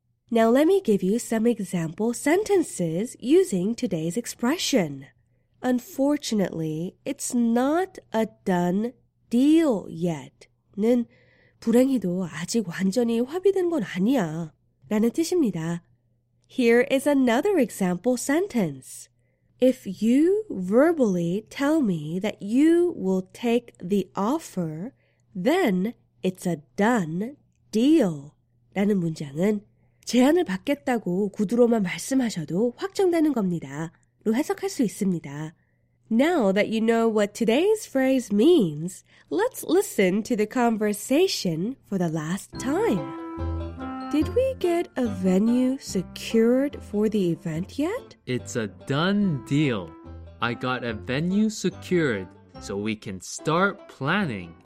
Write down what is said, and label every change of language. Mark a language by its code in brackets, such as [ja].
[en] Now let me give you some example sentences using today's expression. Unfortunately, it's not a done deal yet. [ko] 는 불행히도 아직 완전히 합의된 건 아니야 라는 뜻입니다. [en] Here is another example sentence. If you verbally tell me that you will take the offer, then it's a done deal. [ko] 라는 문장은 제안을 받겠다고 구두로만 말씀하셔도 확정되는 겁니다. 로 해석할 수 있습니다. [en] Now that you know what today's phrase means, let's listen to the conversation for the last time. Did we get a venue secured for the event yet? It's a done deal. I got a venue secured so we can start planning.